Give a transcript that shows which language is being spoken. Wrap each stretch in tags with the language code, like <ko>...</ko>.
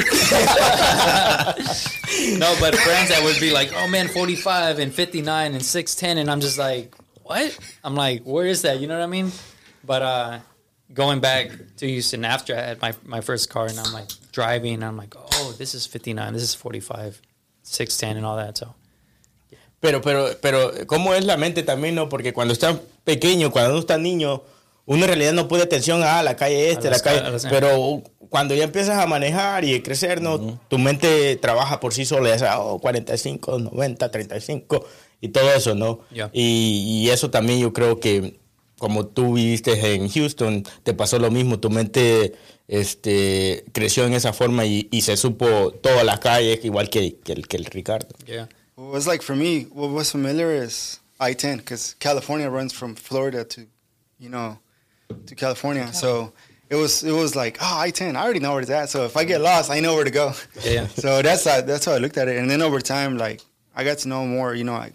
<en>No, but friends that would be like, oh man, 45 and 59 and 6'10", and I'm just like, what? I'm like, where is that? You know what I mean? But going back to Houston after I had my first car and I'm like driving, and I'm like, oh, this is 59, this is 45, 6'10", and all that, so.</en> <es>Pero, ¿cómo es la mente también, no? Porque cuando está pequeño, cuando uno está niño... Uno en realidad no pone atención a la calle este, a la calle, pero cuando ya empiezas a manejar y a crecer, ¿no? Uh-huh. Tu mente trabaja por sí sola, ya sea, 45, 90, 35 y todo eso, ¿no?</es> <en>Yeah.</en> <es>Y eso también yo creo que como tú viviste en Houston, te pasó lo mismo, tu mente creció en esa forma y se supo todas las calles, igual que el Ricardo.</es> <en>Yeah. What was like for me, what was familiar is I-10, because California runs from Florida to... You know, to California. So it was like, oh, I-10, I already know where it's at. So if I get lost, I know where to go. Yeah. So that's how I looked at it. And then over time, like, I got to know more, you know.</en>